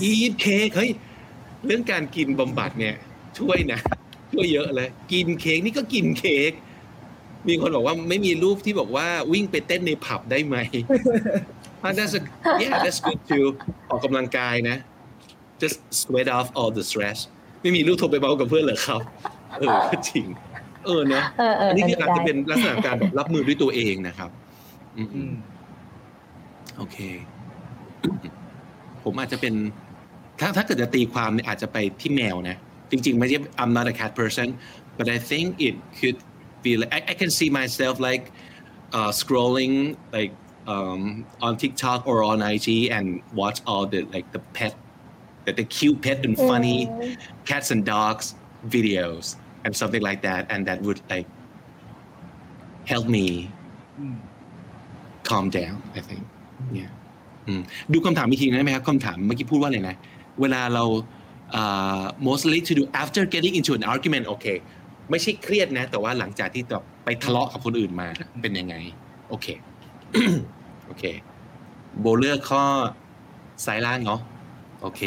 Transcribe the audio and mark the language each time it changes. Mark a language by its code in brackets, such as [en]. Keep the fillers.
[th] อีทเค้กเฮ้ยเรื่องการกินบำบัดเนี่ยช่วยนะ ช่วยเยอะเลย กินเค้กนี่ก็กินเค้กมีคนบอกว่าไม่มีรูปที่บอกว่าวิ่งไปเต้นในผับได้ไหม อ่ะ [en] that's a, yeah that's good too [th] ออกกำลังกายนะ [en] just sweat off all the stress [th] ไม่มีรูปโทรไปเมากับเพื่อนเหรอครับ เออก็จริง เออเนอะ เออเออ อัน นี้ น คือ นี้ อาจ ได้ จะเป็นลักษณะการแบบรับมือด้วยตัวเองนะครับ อืม อืม โอเค ผมอาจจะเป็น ถ้าถ้าเกิดจะตีความเนี่ยอาจจะไปที่แมวนะ จริงๆไม่ใช่ [en] I'm not a cat person but I think it could be like I, I can see myself like uh, scrolling like um, on TikTok or on IG and watch all the like the pet the, the cute pet and funny cats and dogs videos and something like that and that would like help me Mm. calm down I think yeah [th] อืมดูคำถามอีกทีได้ไหมครับคำถามเมื่อกี้พูดว่าอะไรนะ เวลาเราเอ่อ [en] mostly to do after getting into an argument okay [th] ไม่ใช่เครียดนะ แต่ว่าหลังจากที่แบบไปทะเลาะกับคนอื่นมาเป็นยังไง โอเค โอเค โบเลือกข้อสายล่างเนาะโอเค